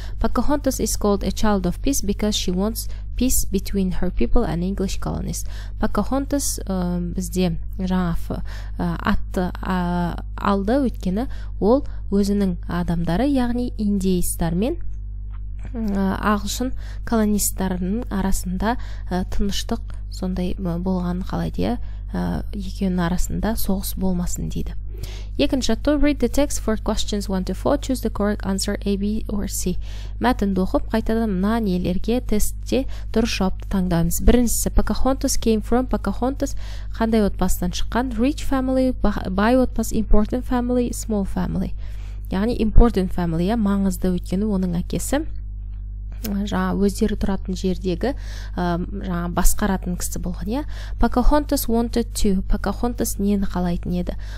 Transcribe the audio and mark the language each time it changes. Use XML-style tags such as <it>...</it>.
<en>Pocahontas is called a child of peace because she wants peace between her people and English colonies.</en> <kk>Pocahontas бізде жаңағы атты алды, өйткені ол өзінің адамдары, яғни индейстармен ағылшын колонистарының арасында тыныштық сондай болған қалайды, екеуінің арасында соғыс болмасын, дейді. Екінші жатты,</kk> <en>read the text for questions 1 to 4. Choose the correct answer A, B or C.</en> <kk>Мәтінді оқып, қайтадан мына нелерге тестте дұрыс жауапты таңдаймыз. Біріншісі,</kk> <en>Pocahontas came from,</en> <kk>Pocahontas қандай отбасынан шыққан?</kk> <en>Rich family, by</en> <kk>отбас,</kk> <en>important family, small family.</en> <kk>Яғни</kk> <en>important family,</en> <kk>маңызды, өйткені оның әкесі жаңа өздері тұратын жердегі жаңа басқаратын кісі болған.</kk> <en>Pocahontas wanted to.</en> <kk>Pocahontas нені қалайтын еді?</kk>